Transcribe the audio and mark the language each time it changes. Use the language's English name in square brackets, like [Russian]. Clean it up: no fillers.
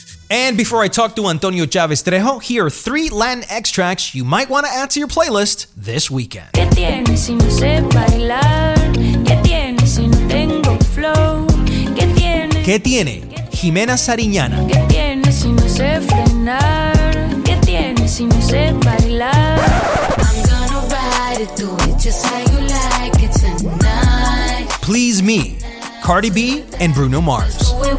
[English] And before I talk to Antonio Chavez Trejo, here are 3 Latin extracts you might want to add to your playlist this weekend. [Spanish] ¿Qué tiene si no sé bailar? ¿Qué tiene si no tengo flow? ¿Qué tiene? ¿Qué tiene? Jimena Sariñana. ¿Qué tiene si no sé frenar? ¿Qué tiene si no sé bailar? [English] I'm gonna ride it, do it just how you like it tonight. Please Me, Cardi B and Bruno Mars.